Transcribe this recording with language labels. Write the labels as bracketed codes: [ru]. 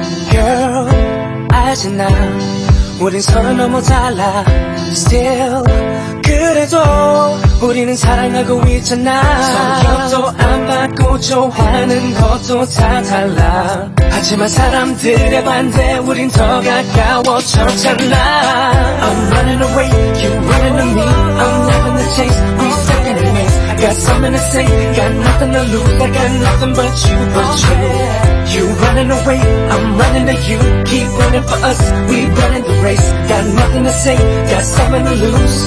[en] Girl, eyes and now, [ko] 우린 서로 너무 달라. [en] Still, [ko] 그래도 우리는 사랑하고 있잖아. 성격도 안 맞고 좋아하는 것도 다 달라. 하지만 사람들의 반대 우린 더 가까워졌잖아. [en] I'm running away, you're running to me. I'm loving the chase, we're stuck in a maze. Got something to say, got nothing to lose. I got nothing but you, but you. You're running away, I'm running to you. Keep running for us, we running the race. Got nothing to say, got something to lose.